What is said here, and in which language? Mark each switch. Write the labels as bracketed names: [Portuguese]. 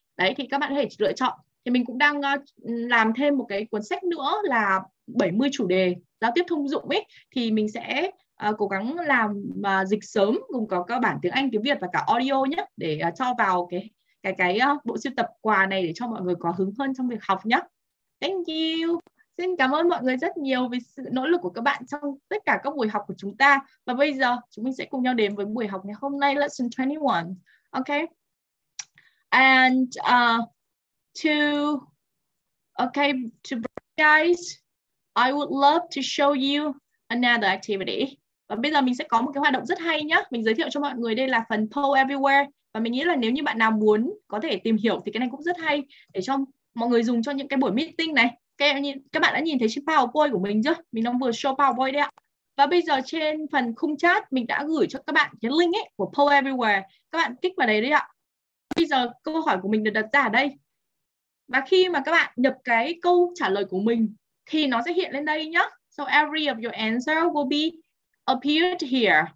[Vietnamese] Đấy thì các bạn có thể lựa chọn. Thì mình cũng đang làm thêm một cái cuốn sách nữa là 70 chủ đề giao tiếp thông dụng ấy, thì mình sẽ cố gắng làm dịch sớm cùng có cơ bản tiếng Anh, tiếng Việt và cả audio nhé, để cho vào cái bộ sưu tập quà này để cho mọi người có hứng hơn trong việc học nhé. [English] Thank you. [Vietnamese] Xin cảm ơn mọi người rất nhiều vì sự nỗ lực của các bạn trong tất cả các buổi học của chúng ta. Và bây giờ chúng mình sẽ cùng nhau đến với buổi học ngày hôm nay, lesson 21. Ok. [English] And to guys, I would love to show you another activity. [Vietnamese] Và bây giờ mình sẽ có một cái hoạt động rất hay nhá. Mình giới thiệu cho mọi người, đây là phần Poll Everywhere. Và mình nghĩ là nếu như bạn nào muốn có thể tìm hiểu thì cái này cũng rất hay để cho mọi người dùng cho những cái buổi meeting này. Các bạn đã nhìn thấy trên PowerPoint của mình chưa? Mình đang vừa show PowerPoint đấy ạ. Và bây giờ trên phần khung chat mình đã gửi cho các bạn cái link ấy của Poll Everywhere. Các bạn kích vào đấy đấy ạ. Bây giờ câu hỏi của mình được đặt ra ở đây. Và khi mà các bạn nhập cái câu trả lời của mình thì nó sẽ hiện lên đây nhá. [English] So every of your answer will be appeared here.